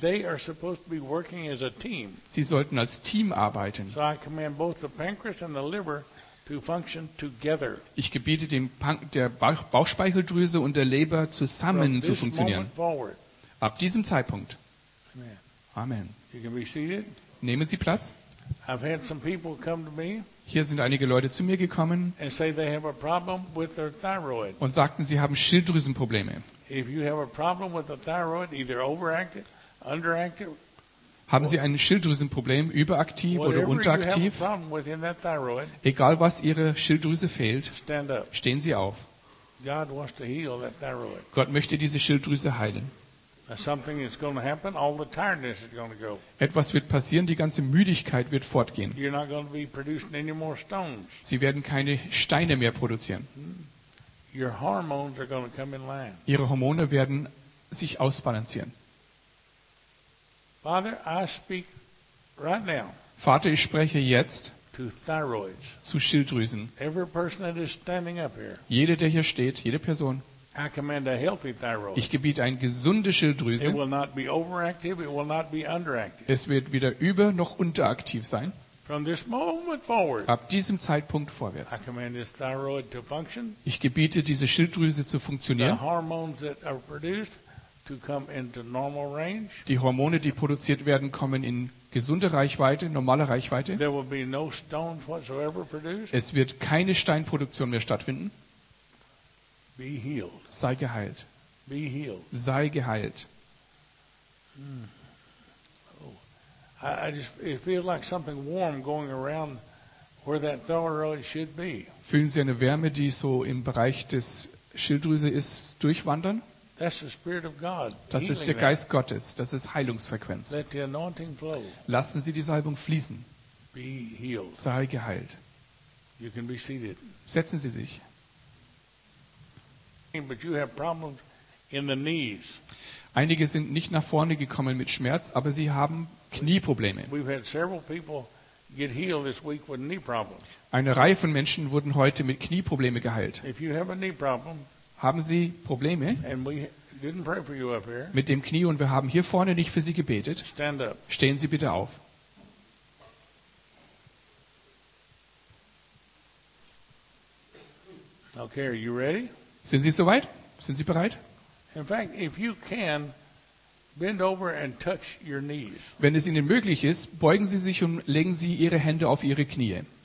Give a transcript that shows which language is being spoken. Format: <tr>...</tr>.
<en>They are supposed to be working as a team.</en> <de>Sie sollten als Team arbeiten.</de> <en>So I command both the pancreas and the liver to function together.</en> <de>Ich gebiete der Bauchspeicheldrüse und der Leber zusammen zu funktionieren. Ab diesem Zeitpunkt.</de> <en>Amen. You can be seated.</en> <de>Nehmen Sie Platz.</de> <en>I've had some people come to me.</en> <de>Hier sind einige Leute zu mir gekommen</de> <en>and say they have a problem with their thyroid.</en> <de>Und sagten, sie haben Schilddrüsenprobleme.</de> <en>If you have a problem with the thyroid, either overactive, underactive,</en> <de>haben Sie ein Schilddrüsenproblem, überaktiv oder unteraktiv?</de> <en>Thyroid,</en> <de>egal, was Ihre Schilddrüse fehlt,</de> <en>stand up.</en> <de>Stehen Sie auf.</de> <en>God wants to heal that thyroid.</en> <de>Gott möchte diese Schilddrüse heilen.</de> <en>Something is going to happen, all the tiredness is going to go.</en> <de>Etwas wird passieren, die ganze Müdigkeit wird fortgehen.</de> <en>You're not going to be producing any more stones.</en> <de>Sie werden keine Steine mehr produzieren.</de> <en>Your hormones are going to come in line.</en> <de>Ihre Hormone werden sich ausbalancieren.</de> <en>Father, I speak right now.</en> <de>Vater, ich spreche jetzt</de> <en>to thyroids.</en> <de>Zu Schilddrüsen.</de> <en>Every person that is standing up here.</en> <de>Jede, der hier steht, jede Person.</de> <en>I command a healthy thyroid.</en> <de>Ich gebiete eine gesunde Schilddrüse.</de> <en>It will not be overactive, it will not be underactive.</en> <de>Es wird weder über- noch unteraktiv sein.</de> <en>From this moment forward.</en> <de>Ab diesem Zeitpunkt vorwärts.</de> <en>I command this thyroid to function.</en> <de>Ich gebiete diese Schilddrüse zu funktionieren.</de> <en>The hormones that are produced to come into normal range.</en> <de>Die Hormone, die produziert werden, kommen in gesunde Reichweite, normale Reichweite.</de> <en>There will be no stones whatsoever produced.</en> <de>Es wird keine Steinproduktion mehr stattfinden.</de> <en>Be healed.</en> <de>Sei geheilt.</de> <en>Be healed.</en> <de>Sei geheilt.</de> <en>I just it feels like something warm going around where that thyroid should be.</en> <de>Fühlen Sie eine Wärme, die so im Bereich des Schilddrüse ist, durchwandern?</de> <en>That's the Spirit of God.</en> <de>Das ist der Geist Gottes. Das ist Heilungsfrequenz.</de> <en>Let the anointing flow.</en> <de>Lassen Sie die Salbung fließen.</de> <en>Be healed.</en> <de>Sei geheilt.</de> <en>You can be seated.</en> <de>Setzen Sie sich.</de> <en>But you have problems in the knees.</en> <de>Einige sind nicht nach vorne gekommen mit Schmerz, aber sie haben Knieprobleme.</de> <en>We've had several people get healed this week with knee problems.</en> <de>Eine Reihe von Menschen wurden heute mit Knieproblemen geheilt.</de> <en>If you have a knee problem,</en> <de>haben Sie Probleme?</de> <en>And we didn't pray for you up here.</en> <de>Mit dem Knie und wir haben hier vorne nicht für Sie gebetet.</de> <en>Stand up.</en> <de>Stehen Sie bitte auf.</de> <en>Okay, are you ready?</en> <de>Sind Sie soweit? Sind Sie bereit?</de> <en>In fact, if you can, bend over and touch your knees.</en> <de>Wenn es Ihnen möglich ist, beugen Sie sich und legen Sie Ihre Hände auf Ihre Knie.</de>